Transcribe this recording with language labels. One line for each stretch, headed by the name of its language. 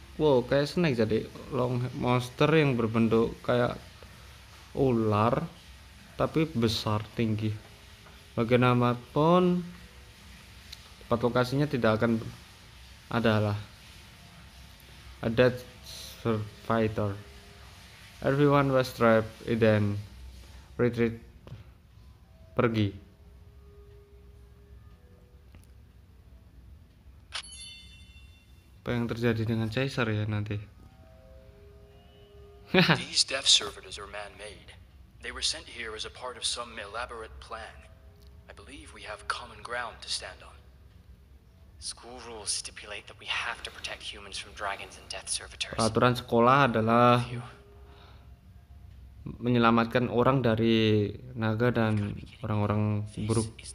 Indonesian: Wow, kayak snake jadi long monster yang berbentuk kayak ular tapi besar tinggi. Bagaimanapun tempat lokasinya tidak akan adalah
English: a dead survivor. Everyone was trapped and then retreat, pergi.
Indonesian: Apa yang terjadi dengan Caesar ya nanti?
English: These death servitors are man-made. They were sent here as a part of some elaborate plan. I believe we have common ground to stand on. School rules stipulate that we have to protect humans from dragons and death servitors.
Indonesian: Peraturan sekolah adalah menyelamatkan orang dari naga dan orang-orang buruk.